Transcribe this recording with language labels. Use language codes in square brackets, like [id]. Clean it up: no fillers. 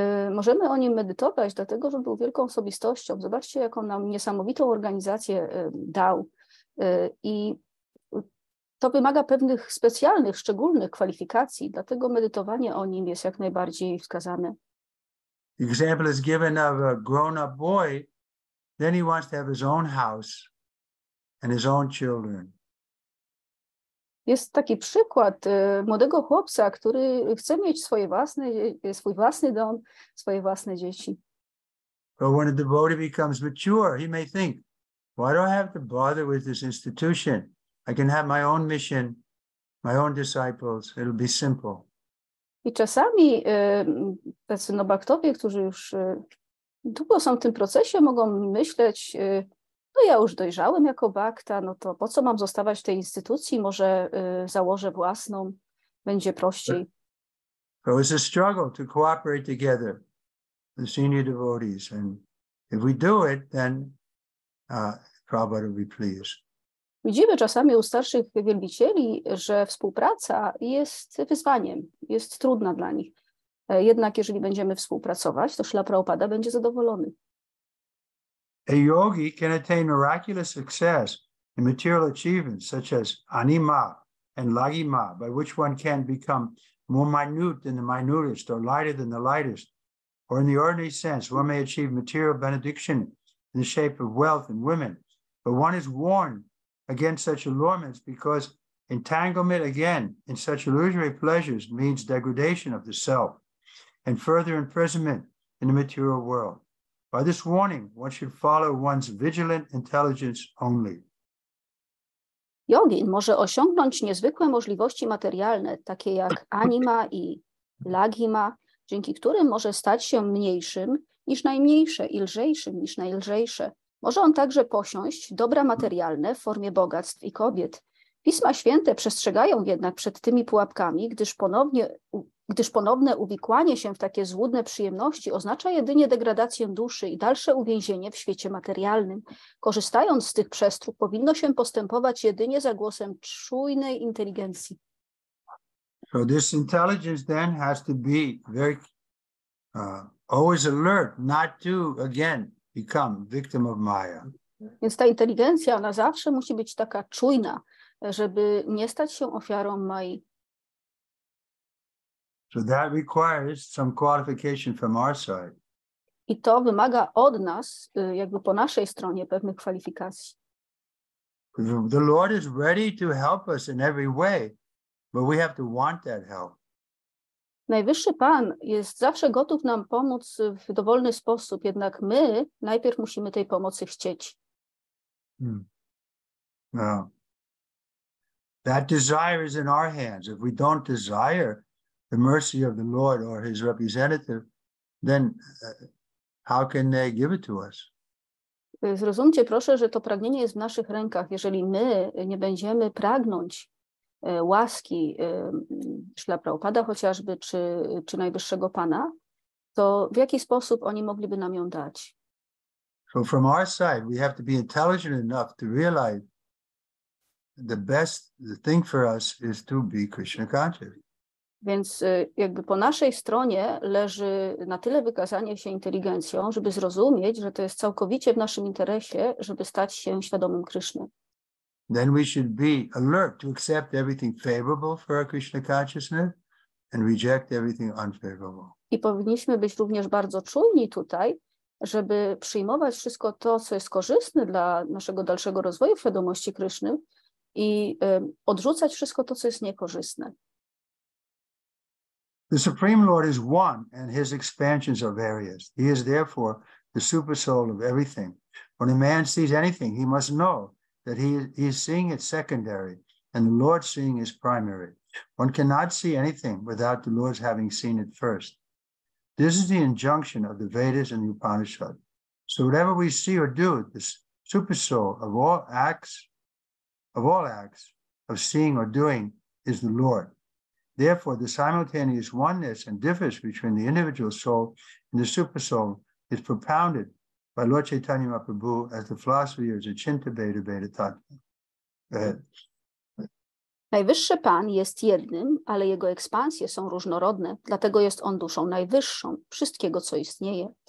[pl] Możemy o nim medytować, dlatego że był wielką osobistością. Zobaczcie, jaką nam niesamowitą organizację dał. I to wymaga pewnych specjalnych, szczególnych kwalifikacji, dlatego medytowanie o nim jest jak najbardziej wskazane. [en] Example is given of a grown-up boy, then he wants to have his own house and his own children. [pl] Jest taki przykład młodego chłopca, który chce mieć swój własny dom, swoje własne dzieci. [en] But when a devotee becomes mature, he may think, why do I have to bother with this institution? I can have my own mission, my own disciples, it'll be simple. [pl] I czasami tacy baktowie, którzy już długo są w tym procesie, mogą myśleć, no ja już dojrzałem jako bakta, no to po co mam zostawać w tej instytucji? Może założę własną, będzie prościej. [en] So it's a struggle to cooperate together, the senior devotees. And if we do it, then Prabhupada will be pleased. [pl] Widzimy czasami u starszych wielbicieli, że współpraca jest wyzwaniem, jest trudna dla nich. Jednak jeżeli będziemy współpracować, to Śla Prabhupada będzie zadowolony. [en] A yogi can attain miraculous success in material achievements such as anima and lagima, by which one can become more minute than the minutest or lighter than the lightest. Or in the ordinary sense, one may achieve material benediction in the shape of wealth and women. But one is warned against such allurements because entanglement again in such illusory pleasures means degradation of the self and further imprisonment in the material world. By this warning, one should follow one's vigilant intelligence only. [pl] Jogin może osiągnąć niezwykłe możliwości materialne, takie jak anima i lagima, dzięki którym może stać się mniejszym niż najmniejsze i lżejszym niż najlżejsze. Może on także posiąść dobra materialne w formie bogactw i kobiet. Pisma Święte przestrzegają jednak przed tymi pułapkami, gdyż ponowne uwikłanie się w takie złudne przyjemności oznacza jedynie degradację duszy i dalsze uwięzienie w świecie materialnym. Korzystając z tych przestróg, powinno się postępować jedynie za głosem czujnej inteligencji. [en] So this intelligence then has to be very always alert not to again become victim of Maya. [pl] Więc ta inteligencja, ona zawsze musi być taka czujna, żeby nie stać się ofiarą Mai. [en] So that requires some qualification from our side. [pl] I to wymaga od nas, jakby po naszej stronie, pewnych kwalifikacji. [en] The Lord is ready to help us in every way, but we have to want that help. [pl] Najwyższy Pan jest zawsze gotów nam pomóc w dowolny sposób, jednak my najpierw musimy tej pomocy chcieć. [en] Now, that desire is in our hands. If we don't desire the mercy of the Lord or his representative, then how can they give it to us? [pl] Zrozumcie proszę, że to pragnienie jest w naszych rękach. Jeżeli my nie będziemy pragnąć łaski Śla Prabhupada chociażby, czy Najwyższego Pana, to w jaki sposób oni mogliby nam ją dać? [en] So from our side, we have to be intelligent enough to realize the best thing for us is to be Krishna conscious. [pl] Więc jakby po naszej stronie leży na tyle wykazanie się inteligencją, żeby zrozumieć, że to jest całkowicie w naszym interesie, żeby stać się świadomym Kryszny. [en] Then we should be alert to accept everything favorable for our Krishna consciousness and reject everything unfavorable. [pl] I powinniśmy być również bardzo czujni tutaj, żeby przyjmować wszystko to, co jest korzystne dla naszego dalszego rozwoju świadomości Kryszny i odrzucać wszystko to, co jest niekorzystne. [en] The Supreme Lord is one and his expansions are various. He is therefore the super soul of everything. When a man sees anything, he must know that he is seeing it secondary and the Lord seeing is primary. One cannot see anything without the Lord's having seen it first. This is the injunction of the Vedas and the Upanishad. So whatever we see or do, this super soul of all acts of seeing or doing is the Lord. Therefore, the simultaneous oneness and difference between the individual soul and the super soul is propounded by Lord Chaitanya Mahaprabhu as the philosophy of the Chintabheda Vedatatva. [pl] Najwyższy Pan jest jednym, ale jego ekspansje są różnorodne, dlatego jest on duszą najwyższą wszystkiego, co istnieje.